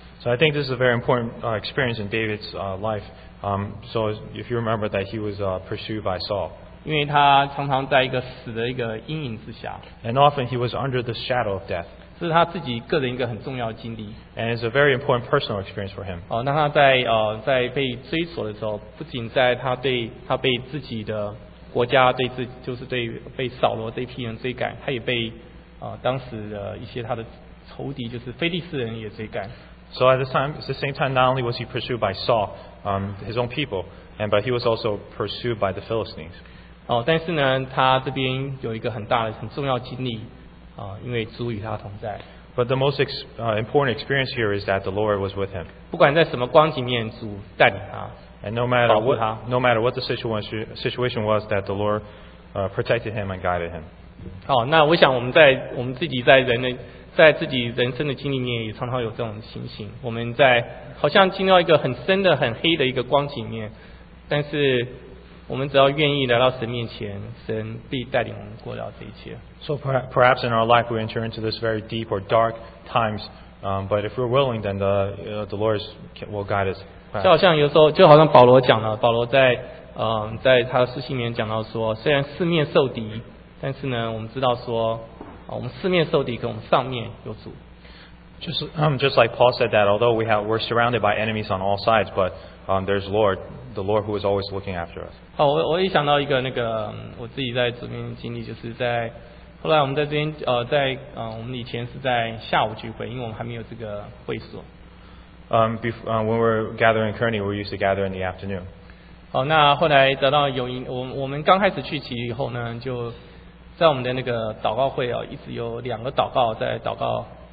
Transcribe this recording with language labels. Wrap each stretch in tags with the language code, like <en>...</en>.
<en>So I think this is a very important experience in David's life. So if you remember that he was pursued by Saul.</en> <zh>因为他常常在一个死的一个阴影之下。</zh> <en>And often he was under the shadow of death.</en> <zh>这是他自己个人一个很重要的经历。</zh> <en>And it's a very important personal experience for him.</en> <zh>那他在被追索的时候，不仅在他对他被自己的国家对自己就是对被扫罗这批人追赶，他也被当时的一些他的仇敌就是菲利士人也追赶。</zh> <en>So at the same time, not only was he pursued by Saul, his own people, but he was also pursued by the Philistines.</en> <zh>但是呢，他这边有一个很大的、很重要经历因为主与他同在。</zh> <en>But the most important experience here is that the Lord was with him.</en> <zh>不管在什么光景面，主带领他。</zh> <en>And no matter what the situation was, that the Lord protected him and guided him.</en> <zh>好，那我想我们自己在人生的经历面，也常常有这种情形。我们在好像进到一个很深的、很黑的一个光景面，但是。我们只要愿意来到神面前，神必带领我们过了这一切。</zh> <en>So perhaps in our life we enter into this very deep or dark times, but if we're willing, then the Lord will guide us.</en> <zh>就好像有时候，就好像保罗讲了，保罗在他的书信里面讲到说，虽然四面受敌，但是呢，我们知道说，我们四面受敌，可我们上面有主。</zh> <en>Just like Paul said that, although we're surrounded by enemies on all sides, but there's Lord. The Lord who is always looking after us.</en> <zh>好，我一想到一个那个我自己在这边经历，就是在后来我们在这边我们以前是在下午聚会，因为我们还没有这个会所。</zh> <en>When we're gathering currently, we used to gather in the afternoon.</en> <zh>好，那后来得到有我们刚开始聚集以后呢，就在我们的那个祷告会一直有两个祷告在祷告</zh>